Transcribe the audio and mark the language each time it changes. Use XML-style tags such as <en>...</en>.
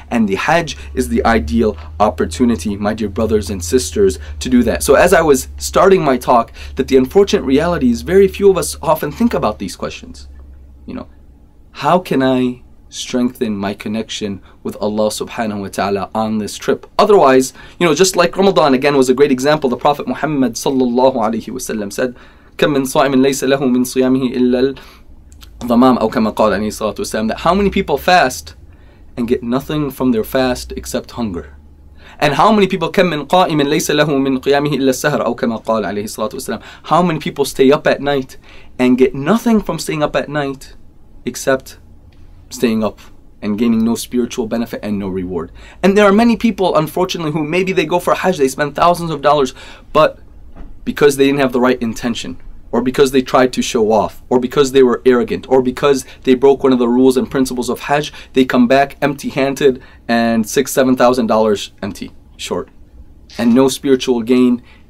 <en>And the Hajj is the ideal opportunity, my dear brothers and sisters, to do that. So as I was starting my talk, that the unfortunate reality is very few of us often think about these questions. You know, how can I strengthen my connection with Allah subhanahu wa ta'ala on this trip? Otherwise, you know, just like Ramadan, again, was a great example. The Prophet Muhammad sallallahu alayhi wa sallam said,</en> <ar>كَمْ مِنْ صَائِمٍ لَيْسَ لَهُ مِنْ صِيَامِهِ إِلَّا الْضَمَامِ أَوْ كَمَا قَالَ عَلَيْهِ صَلَّى اللَّهُ عَلَيْهِ وَسَلَّمَ.</ar> <en>How many people fast and get nothing from their fast except hunger? And how many people,</en> <ar>كَمْ مِنْ قَائِمٍ لَيْسَ لَهُ مِنْ قِيَامِهِ إِلَّا السَّهْرَ أَوْ كَمَا قَالَ عَلَيْهِ صَلَّى اللَّهُ عَلَيْهِ وَسَلَّمَ.</ar> <en>How many people stay up at night and get nothing from staying up at night except staying up and gaining no spiritual benefit and no reward? And there are many people, unfortunately, who maybe they go for Hajj, they spend thousands of dollars, but because they didn't have the right intention, or because they tried to show off, or because they were arrogant, or because they broke one of the rules and principles of Hajj, they come back empty-handed and $6,000-$7,000 empty, short, and no spiritual gain.</en>